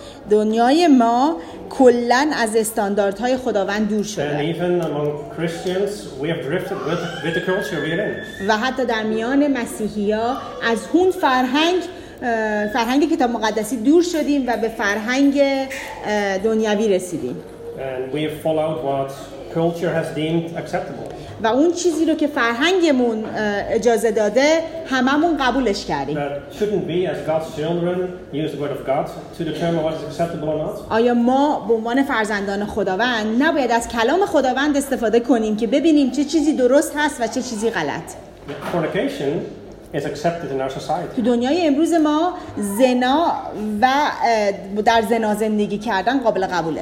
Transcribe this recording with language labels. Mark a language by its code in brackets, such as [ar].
[fa] دنیای ما کلن از استانداردهای خداوند دور شده. [en] And even among Christians, we have drifted with the culture we are in. [fa] و حتی در میان مسیحی‌ها از اون فرهنگ، فرهنگ کتاب مقدسی دور شدیم و به فرهنگ دنیوی رسیدیم. [en] And we have followed what culture has deemed acceptable. [fa] و اون چیزی رو که فرهنگمون اجازه داده هممون قبولش کردیم. [en] Shouldn't we as God's children use the word of God to determine what is acceptable or not? [fa] آیا ما به عنوان فرزندان خداوند نباید از کلام خداوند استفاده کنیم که ببینیم چه چیزی درست هست و چه چیزی غلط؟ [en] Fornication is accepted in our society. [fa] تو دنیای امروز ما زنا و در زنا زندگی کردن قابل قبوله.